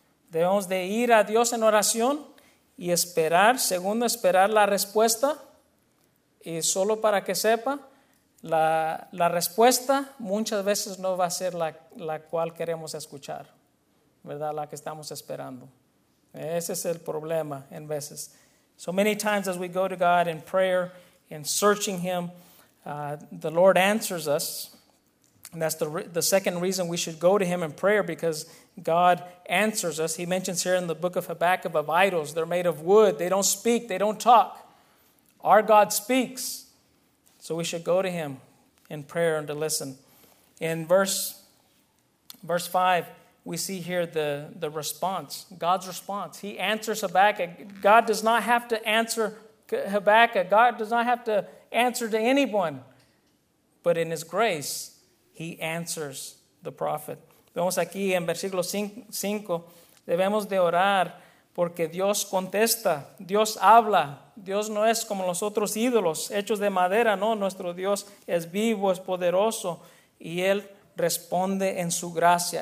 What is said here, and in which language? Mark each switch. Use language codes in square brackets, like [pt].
[es] Debemos de ir a Dios en oración y esperar, segundo, esperar la respuesta. Y solo para que sepa, la respuesta muchas veces no va a ser la cual queremos escuchar, ¿verdad? La que estamos esperando. Ese es el problema en veces. [en] So many times as we go to God in prayer and searching him, the Lord answers us. And that's the second reason we should go to him in prayer, because God answers us. He mentions here in the book of Habakkuk of idols. They're made of wood. They don't speak. They don't talk. Our God speaks. So we should go to him in prayer and to listen. In verse 5, we see here the response, God's response. He answers Habakkuk. God does not have to answer Habakkuk. God does not have to answer to anyone. But in his grace, he answers the prophet. [es] Vemos aquí en versículo 5, debemos de orar porque Dios contesta. Dios habla. Dios no es como los otros ídolos hechos de madera. No, nuestro Dios es vivo, es poderoso y él responde en su gracia.